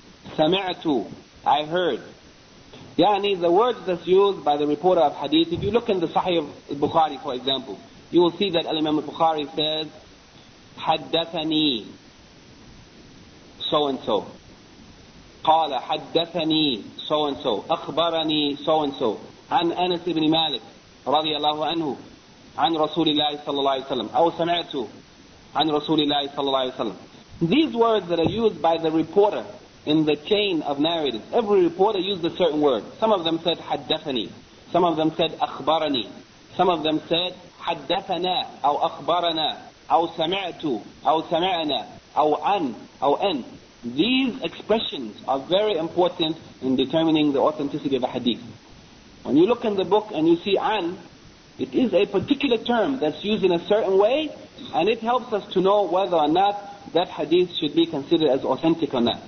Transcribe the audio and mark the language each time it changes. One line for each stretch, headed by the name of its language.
English: Sami'tu, I heard. Yani, the words that's used by the reporter of hadith, if you look in the Sahih of Bukhari, for example, you will see that Al-Imam al-Bukhari says, haddathani, so-and-so. Qala, haddathani, so-and-so. Akhbarani, so-and-so.
Arabic: عن أنس بن مالك رضي الله عنه عن رسول الله صلى الله عليه وسلم أو سمعته عن رسول الله صلى الله عليه وسلم.
English: These words that are used by the reporter in the chain of narratives, every reporter used a certain word. Some of them said حدثني, some of them said أخبرني, some of them said حدثنا أو أخبرنا أو سمعت أو سمعنا أو عن أو أن. These expressions are very important in determining the authenticity of a hadith. When you look in the book and you see an, it is a particular term that's used in a certain way, and it helps us to know whether or not that hadith should be considered as authentic or not.